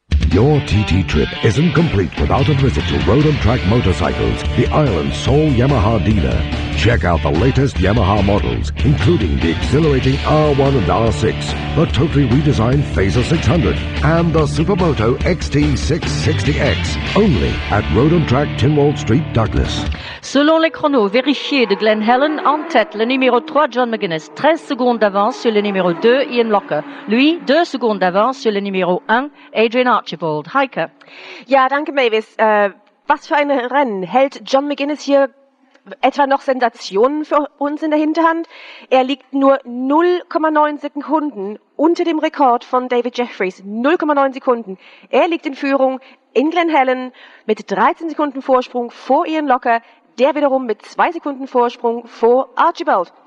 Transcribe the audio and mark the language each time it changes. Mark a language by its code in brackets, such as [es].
[en] Your TT trip isn't complete without a visit to Road & Track Motorcycles, the island's sole Yamaha dealer. Check out the latest Yamaha models, including the exhilarating R1 and R6, the totally redesigned Phaser 600, and the Supermoto XT660X, only at Road & Track Tynwald Street, Douglas. [fr] Selon les chronos vérifiés de Glen Helen, en tête, le numéro 3, John McGuinness, 13 secondes d'avance sur le numéro 2, Ian Locker. Lui, 2 secondes d'avance sur le numéro 1, Adrian Archer. [de] Heike. Ja, danke Mavis. Was für ein Rennen hält John McGuinness hier etwa noch Sensationen für uns in der Hinterhand? Er liegt nur 0,9 Sekunden unter dem Rekord von David Jeffries. 0,9 Sekunden. Er liegt in Führung in Glen Helen mit 13 Sekunden Vorsprung vor Ian Locker, der wiederum mit 2 Sekunden Vorsprung vor Archibald.